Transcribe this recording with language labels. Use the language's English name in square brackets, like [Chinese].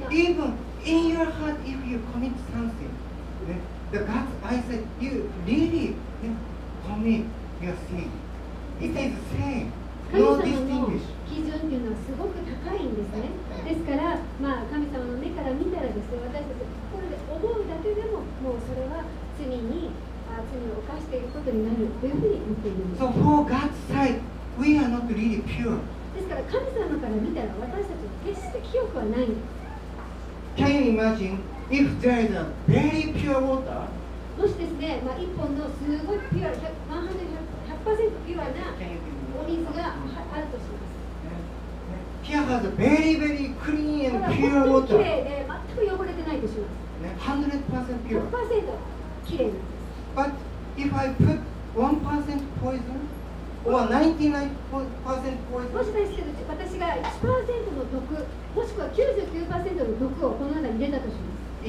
[English] Even in your heart, if you commit something, the God's eyes say, you really commit your sin. It is the same. No distinguish. [Japanese] 基準というのはすごく高いんですね。ですから、まあ、神様の目から見たらですね、私たちは心で思うだけでも、もうそれは罪を犯していることになるというふうに思っているんです。 [English] So for God's sight, we are not really pure. [Japanese] ですから、神様から見たら私たちは決して清くはないんです。 [English] Can you imagine if there is a very pure water? [Japanese] もしですね、まあ、一本のすごいピュア、100% ピュアなお水があるとします。 [English] Here has a very, very clean and pure water. [Japanese] 本当に綺麗で、全く汚れてないとします。 [English] 100% pure. [Japanese] 100% 綺麗なんです。 [English] But if I put 1% poison, or 99% poison? [Japanese] もしですけど、私が 1% の毒、もしくは 99% の毒をこの中に入れたとします。